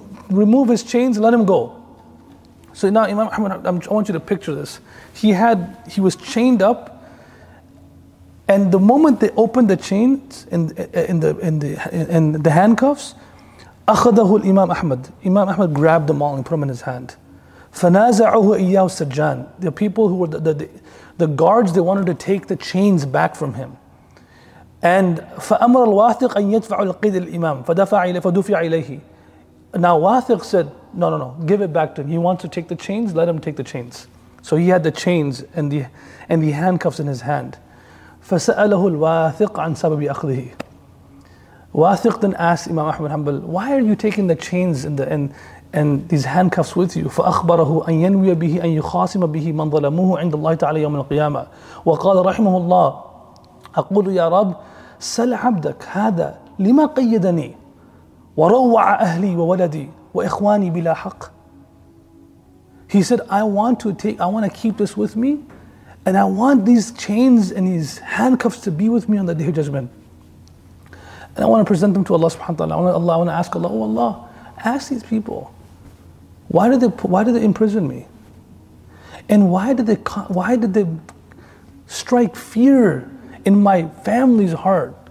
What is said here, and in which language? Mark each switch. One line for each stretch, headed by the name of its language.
English: remove his chains, let him go. So now Imam Ahmad, I want you to picture this. He was chained up, and the moment they opened the chains in the handcuffs,
Arabic: أخذه الإمام أحمد.
English: Imam Ahmad grabbed them all and put them in his hand.
Arabic: فنازعه إياه السجان.
English: The people who were the guards, they wanted to take the chains back from him.
Arabic: And فأمر الواثق أن يدفع القيد الإمام. فدفع إليه.
English: Now Wathiq said, no, give it back to him. He wants to take the chains, let him take the chains. So he had the chains and the handcuffs in his hand.
Arabic: فسأله الواثق عن سبب أخذه.
English: Wathiq then asked Imam Ahmad Hanbal, why are you taking the chains and these handcuffs with you?
Arabic: فأخبره أن ينوي به أن يخاصم به من ظلموه عند الله تعالى يوم القيامة. وقال رحمه الله أقول يا رب سل عبدك هذا لما قيدني وروع أهلي وولدي وإخواني بلا حق.
English: He said, I want to keep this with me, and I want these chains and these handcuffs to be with me on the Day of Judgment. And I want to present them to Allah subhanahu wa ta'ala. I want to ask Allah, oh Allah, ask these people. Why did they imprison me? And why did they strike fear in my family's heart?